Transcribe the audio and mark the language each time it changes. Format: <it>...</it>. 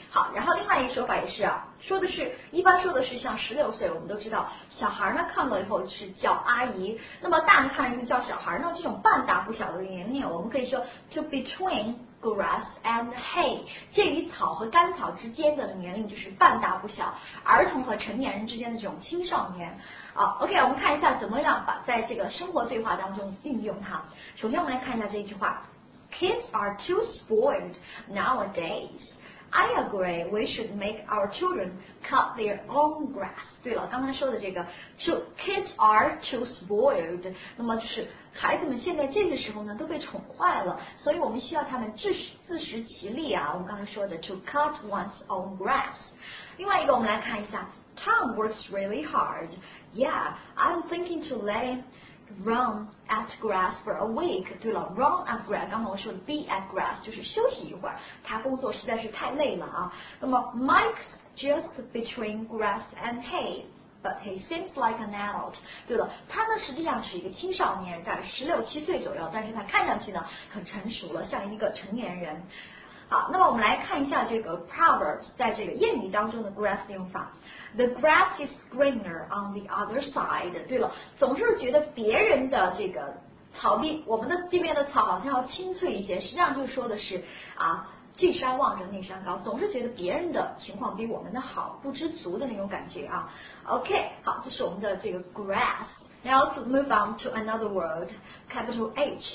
<zh>好，然后另外一个说法也是啊，说的是一般说的是像十六岁，我们都知道小孩呢看到以后是叫阿姨，那么大人看了以后叫小孩呢，这种半大不小的年龄，我们可以说 to between grass and hay， 介于草和干草之间的年龄就是半大不小，儿童和成年人之间的这种青少年。好 ，OK， 我们看一下怎么样把在这个生活对话当中运用它。首先我们来看一下这一句话。</zh> <en>kids are too spoiled nowadays. I agree, we should make our children cut their own grass.</en> <zh>对了，刚才说的这个</zh> <en>kids are too spoiled，</en> <zh>那么就是孩子们现在这个时候呢都被宠坏了，所以我们需要他们自食其力啊。我们刚才说的 to cut one's own grass。另外一个我们来看一下，</zh> <en>Tom works really hard. Yeah, I'm thinking to let him run at grass for a week.</en> <zh>对了， run at grass， 刚才我说的 be at grass 就是休息一会儿，他工作实在是太累了啊。那么</zh> <en>Mike's just between grass and hay, but he seems like an adult.</en> <zh>对了，他呢实际上是一个青少年，在十六七岁左右，但是他看上去呢很成熟了，像一个成年人。好，那么我们来看一下这个 proverb 在这个谚语当中的 grass 的用法。</zh> <en>The grass is greener on the other side.</en> <zh>对了，总是觉得别人的这个草地，我们的这边的草好像要青翠一些，实际上就说的是啊，这山望着那山高，总是觉得别人的情况比我们的好，不知足的那种感觉啊。 OK， 好，这是我们的这个 grass。</zh> <en>Now let's move on to another word, capital H。</en>